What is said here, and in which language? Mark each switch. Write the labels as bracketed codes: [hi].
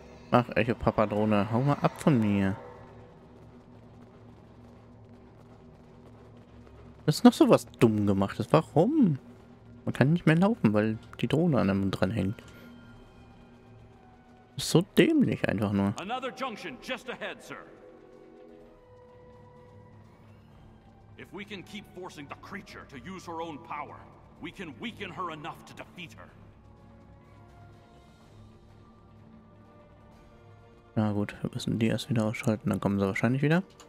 [de] Ach, Echo Papa Drohne, hau mal ab von mir. Das ist noch sowas dumm gemacht. Warum? Man kann nicht mehr laufen, weil die Drohne an einem dran hängt. Das ist so dämlich einfach nur. [en] Another junction just ahead, sir. If we can keep forcing the creature to use her own power, we can weaken her enough to defeat her. [de] Na gut, wir müssen die erst wieder ausschalten, dann kommen sie wahrscheinlich wieder.